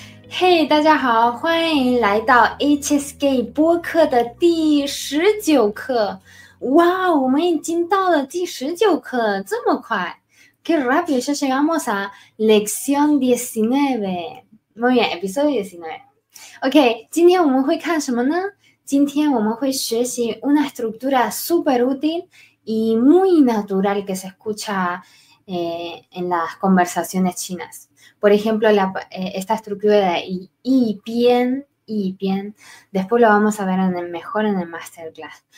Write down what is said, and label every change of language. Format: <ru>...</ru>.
<zh>嘿，大家好，欢迎来到 HSK 播客的第19课。哇，我们已经到了第19课，这么快？</zh> <es>Qué rápido, ya llegamos a lección 19. Muy bien, episodio 19.</es> <zh>OK，今天我们会看什么呢？今天我们会学习</zh> <es>una estructura súper útil y muy natural que se escucha en las conversaciones chinas. Por ejemplo, esta estructura de y bien, después lo vamos a ver mejor en el masterclass.</es>